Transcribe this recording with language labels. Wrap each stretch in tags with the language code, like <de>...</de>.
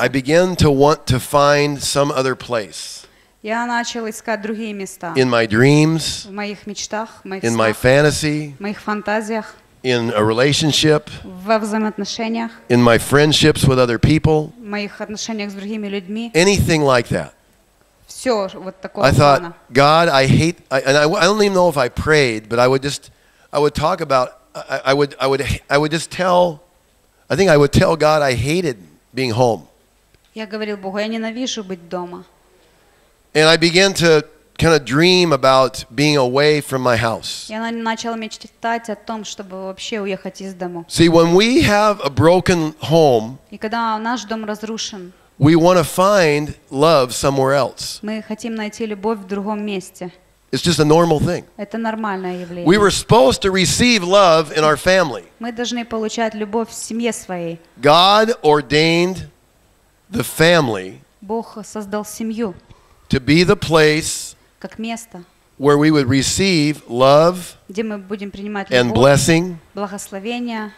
<en>I began to want to find some other place.</en> <ru>Я начал искать другие места.</ru> <en>In my dreams.</en> <ru>В моих мечтах, в моих снах.</ru> <en>In my fantasy.</en> <ru>В моих фантазиях.</ru> <en>In a relationship.</en> <ru>Во взаимоотношениях.</ru> <en>In my friendships with other people.</en> <ru>В моих отношениях с другими людьми.</ru> <en>Anything like that.</en> <ru>Все вот такого плана.</ru> <en>I thought, God, I hate, I don't even know if I prayed, but I would tell God I hated being home.</en> <ru>Я говорил Богу, я ненавижу быть дома.</ru> <en>And I began to kind of dream about being away from my house.</en> <ru>Я начал мечтать о том, чтобы вообще уехать из дома.</ru> <en>See, when we have a broken home,</en> <ru>и когда наш дом разрушен,</ru> <en>we want to find love somewhere else.</en> <ru>Мы хотим найти любовь в другом месте.</ru> <en>It's just a normal thing.</en> <ru>Это нормальное явление.</ru> <en>We were supposed to receive love in our family.</en> <ru>Мы должны получать любовь в семье своей.</ru> <en>God ordained the family.</en> <ru>Бог создал семью.</ru> <en>To be the place</en> <ru>как место,</ru> <en>where we would receive love,</en> <ru>где мы будем принимать любовь,</ru> <en>and blessing,</en> <ru>благословение,</ru>